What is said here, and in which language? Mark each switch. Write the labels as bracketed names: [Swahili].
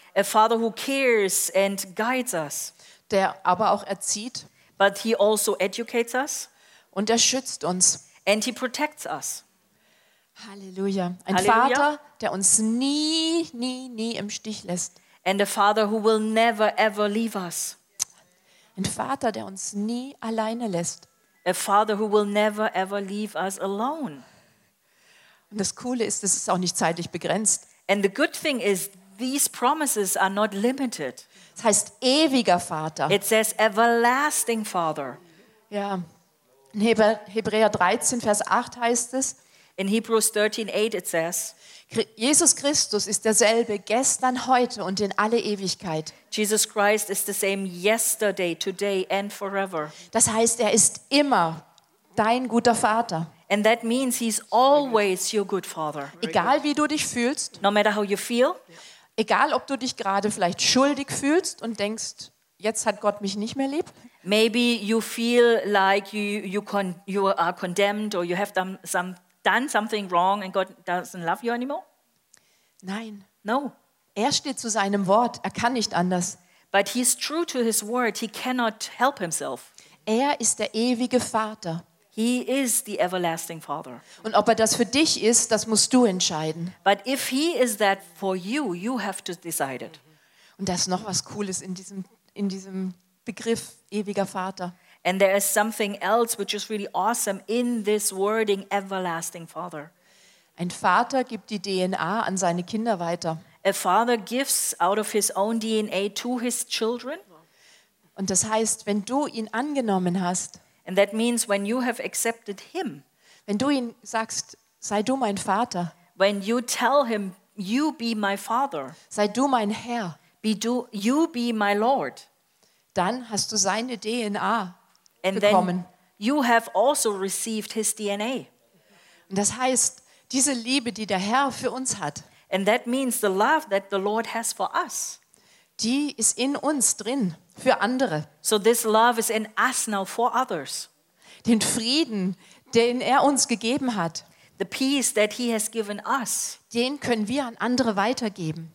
[English] A father who cares and guides us. [German] Der aber auch erzieht. [English] But he also educates us. [German] Und er schützt uns. [English] And he protects us. [German] Halleluja. Ein Vater, der uns nie im Stich lässt. [English] And a father who will never ever leave us. [German] Ein Vater, der uns nie alleine lässt. [English] A father who will never ever leave us alone. [German] Und das Coole ist, es ist auch nicht zeitlich begrenzt. [English] And the good thing is, these promises are not limited. [German] Das heißt ewiger Vater. [English] It says everlasting Father. [German] Ja. In Hebräer 13, Vers 8 heißt es. [English] In Hebrews 13, 8 it says. [German] Jesus Christus ist derselbe gestern, heute und in alle Ewigkeit. [English] Jesus Christ is the same yesterday, today and forever. [German] Das heißt, er ist immer dein guter Vater. [English] And that means he's always your good father. [German] Egal wie du dich fühlst, [English] no matter how you feel, [German] egal ob du dich gerade vielleicht schuldig fühlst und denkst, jetzt hat Gott mich nicht mehr lieb. [English] Maybe you feel like you are condemned or you have done something wrong and God doesn't love you anymore? [German] Nein. [English] No. [German] Er steht zu seinem Wort. Er kann nicht anders. [English] But he's true to his word. He cannot help himself. [German] Er ist der ewige Vater. [English] He is the everlasting Father. [German] Und ob er das für dich ist, das musst du entscheiden. [English] But if he is that for you, you have to decide it. [German] Und da ist noch was Cooles in diesem Begriff ewiger Vater. [English] And there is something else which is really awesome in this wording everlasting father. [German] Ein Vater gibt die DNA an seine Kinder weiter. [English] A father gives out of his own DNA to his children. [German] Und das heißt, wenn du ihn angenommen hast, [English] and that means when you have accepted him, [German] wenn du ihn sagst, sei du mein Vater, [English] when you tell him you be my father, [German] sei du mein Herr, [English] you be my Lord, [German] dann hast du seine DNA. [English] And [German] bekommen. [English] Then you have also received his DNA. [German] Und das heißt, diese Liebe, die der Herr für uns hat. [English] And that means the love that the Lord has for us. [German] Die ist in uns drin für andere. [English] So this love is in us now for others. [German] Den Frieden, den er uns gegeben hat. [English] The peace that he has given us. [German] Den können wir an andere weitergeben.